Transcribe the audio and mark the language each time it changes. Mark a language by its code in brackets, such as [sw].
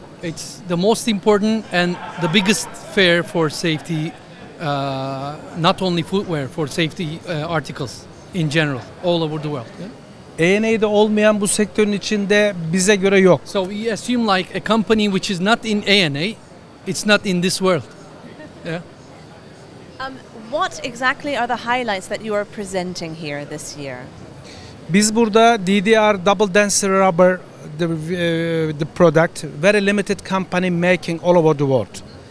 [en] It's the most important and the biggest fair for safety, not only footwear, for safety articles in general, all over the world. [tr] A&A'de olmayan bu sektörün içinde bize göre yok. [en] So we assume like a company which is not in A&A, it's not in this world. Yeah. What exactly are the highlights that you are presenting here this year? [tr] Biz burada [en] DDR double denser rubber the product, very limited company making all over the world.